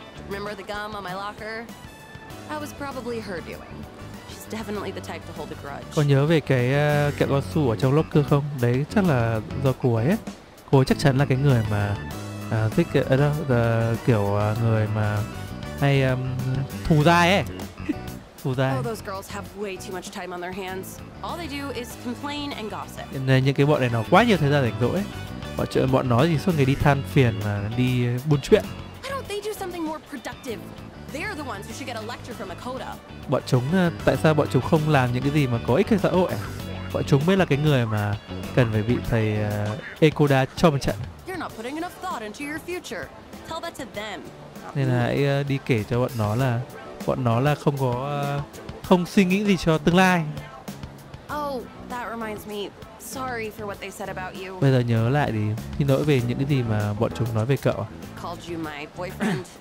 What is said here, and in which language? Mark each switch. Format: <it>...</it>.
<en>Remember the gum on my locker? That was probably her doing. Definitely the type to hold a grudge.</en> <vi>Còn nhớ về cái kẹo cao su ở trong locker không? Đấy chắc là do cô ấy. Cô ấy chắc chắn là cái người mà thích kiểu người mà hay thù dai ấy. Thù dai.</vi> <en>All those girls have way too much time on their hands. All they do is complain and gossip.</en> <vi>Nên những cái bọn này nó quá nhiều thời gian rảnh rỗi. Bọn nó thì suốt ngày đi than phiền mà đi buôn chuyện.</vi> <en>Why don't they do something more productive? They're the ones who should get a lecture from Akoda.</en> <vi>Bọn chúng, tại sao bọn chúng không làm những cái gì mà có ích cho xã hội? Bọn chúng mới là cái người mà cần phải bị thầy Akoda cho một trận.</vi> <en>You're not putting enough thought into your future. Tell that to them.</en> <vi>Nên là hãy đi kể cho bọn nó là không có không suy nghĩ gì cho tương lai.</vi> <en>Oh, that reminds me. Sorry for what they said about you.</en> <vi>Bây giờ nhớ lại thì xin lỗi về những cái gì mà bọn chúng nói về cậu.</vi> <en>Called you my boyfriend.</en>